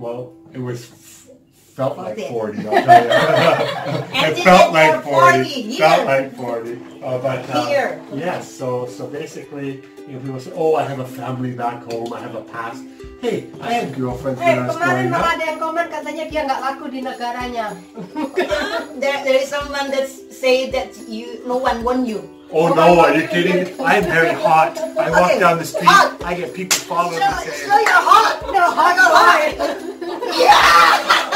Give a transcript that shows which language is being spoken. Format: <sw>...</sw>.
<en>Well, it was felt like 40, I'll tell you. It felt like 40. Yes, so basically, you know, people say, oh, I have a family back home, I have a past. Hey, I had girlfriends when I was growing up.</en> <id>Kemarin mama ada yang komen, katanya dia nggak laku di negaranya.</id> <en>There is someone that say that you, no one want you. Oh no, are you kidding? I'm very hot. I walk down the street, I get people following me saying, so you're hot! No, hot or hot! Yeah!</en>